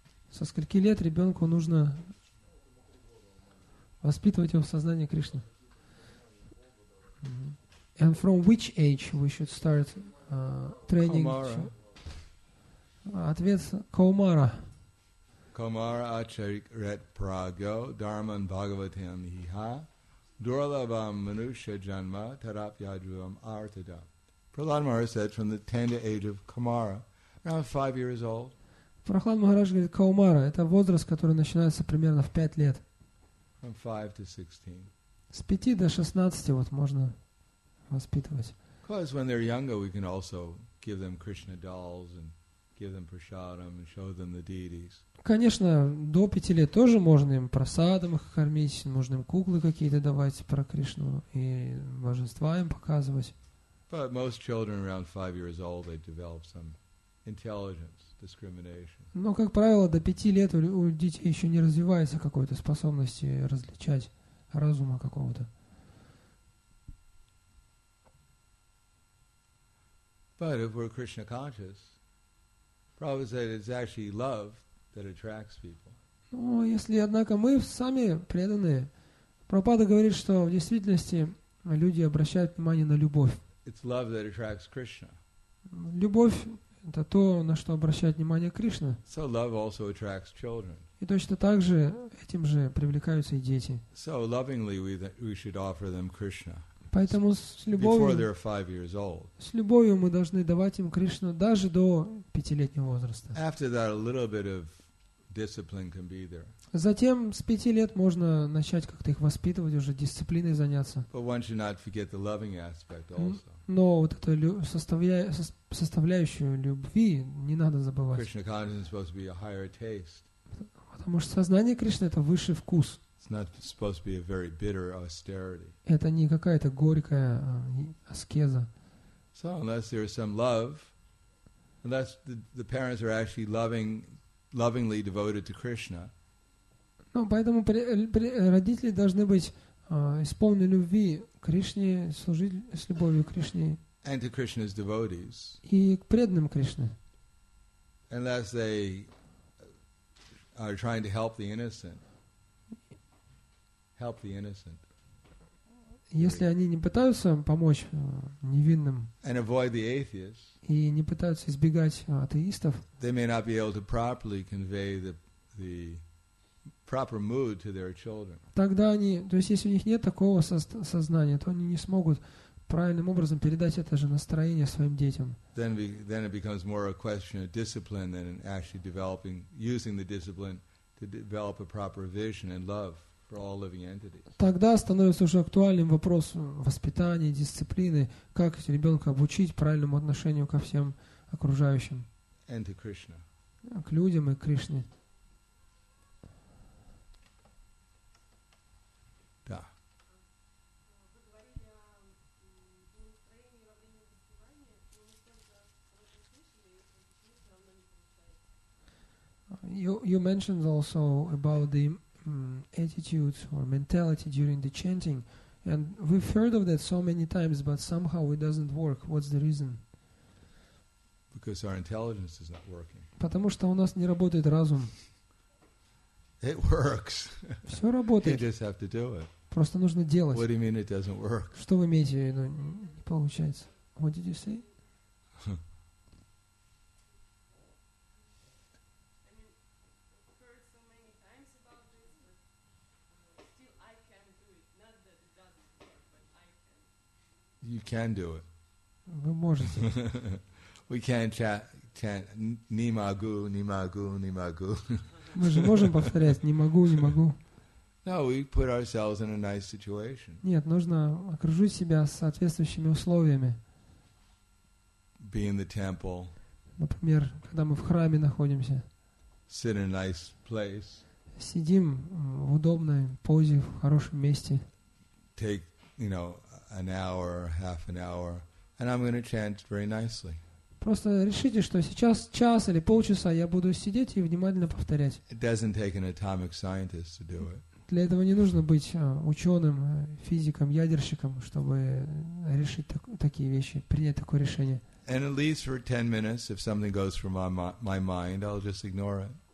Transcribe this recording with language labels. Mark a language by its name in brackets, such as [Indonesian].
[Russian] Со скольки лет ребенку нужно воспитывать его в сознании Кришны? [English] And from which age we should start training? [Russian] Ответ Каумара. [Sanskrit] Каумара ачарит прагьо дарман бхагаватам хиха дурлабам манушья джанма тарапьяджвам артида. [English] Prahlad Maharaj said from the tender age of Kumara, around 5 years old. [Russian] Прохлад Махарадж говорит, Каумара — это возраст, который начинается примерно в 5 лет. [English] From 5 to 16. [Russian] С 5 до 16 вот можно воспитывать. [English] Because when they're younger, we can also give them Krishna dolls and give them prasadam and show them the deities. [Russian] Конечно, до 5 лет тоже можно им прасадам их кормить, можно им куклы какие-то давать про Кришну и божества им показывать. [English] But most children around 5 years old, they develop some intelligence, discrimination. [Russian] Но, как правило, до 5 лет у детей еще не развивается какой-то способности различать разума какого-то. [English] But if we're Krishna conscious, Prabhupada said it's actually love that attracts people. [Russian] Ну, если, однако, мы сами преданные, Прабхупада говорит, что в действительности люди обращают внимание на любовь. [English] It's love that attracts Krishna. [Russian] Любовь — это то, на что обращает внимание Кришна. [English] So love also attracts children. [Russian] И точно так же этим же привлекаются и дети. [English] So lovingly we should offer them Krishna. [Russian] Поэтому с любовью, [English] before they're 5 years old. [Russian] С любовью мы должны давать им Кришну даже до 5-летнего возраста. [English] After that, a little bit of discipline can be there. [Russian] Затем с 5 лет можно начать как-то их воспитывать, уже дисциплиной заняться. [English] But one should not forget the loving aspect also. [Russian] Но вот эту составляющую любви не надо забывать. [English] Krishna consciousness is supposed to be a higher taste. [Russian] Потому что сознание Кришны — это высший вкус. [English] It's not supposed to be a very bitter austerity. [Russian] Это не какая-то горькая аскеза. [English] So unless there is some love, unless the parents are actually lovingly devoted to Krishna. [Russian] Ну, поэтому родители должны быть исполнены любви Кришне, служить с любовью Кришне. [English] And to Krishna's devotees. [Russian] И к преданным Кришне. [English] Unless they are trying to help the innocent. Help the innocent. [Russian] Если они не пытаются помочь невинным. [English] And avoid the atheists. [Russian] И не пытаются избегать атеистов. [English] They may not be able to properly convey the proper mood to their children. [Russian] Тогда они, то есть если у них нет такого сознания, то они не смогут правильным образом передать это же настроение своим детям. [English] Then it becomes more a question of discipline than actually developing, using the discipline to develop a proper vision and love for all living entities. [Russian] Тогда становится уже актуальным вопрос воспитания, дисциплины, как ребенка обучить правильному отношению ко всем окружающим. [English] And to Krishna. [Russian] К людям и к Кришне. [English] You mentioned also about the attitudes or mentality during the chanting, and we've heard of that so many times, but somehow it doesn't work. What's the reason? Because our intelligence is not working. [Russian] Потому что у нас не работает разум. [English] It works. [Russian] Все работает. [English] You just have to do it. [Russian] Просто нужно делать. [English] What do you mean it doesn't work? [Russian] Что вы имеете в виду? Не получается. [English] What did you say? You can do it. [Russian] Вы можете. [English] We can't chant [Russian] ni magu, ni magu, ni magu. Мы же можем повторять ни могу, ни могу. [English] No, we put ourselves in a nice situation. [Russian] Нет, нужно окружить себя соответствующими условиями. [English] Be in the temple. [Russian] Например, когда мы в храме находимся. [English] Sit in a nice place. [Russian] Сидим в удобной позе, в хорошем месте. [English] Take, you know, an hour, half an hour, and I'm going to chant very nicely. [Russian] Просто решите, что сейчас час или полчаса я буду сидеть и внимательно повторять. [English] It doesn't take an atomic scientist to do it. [Russian] Для этого не нужно быть ученым, физиком, ядерщиком, чтобы решить такие вещи, принять такое решение. [English] And at least for 10 minutes, if something goes from my mind, I'll just ignore it.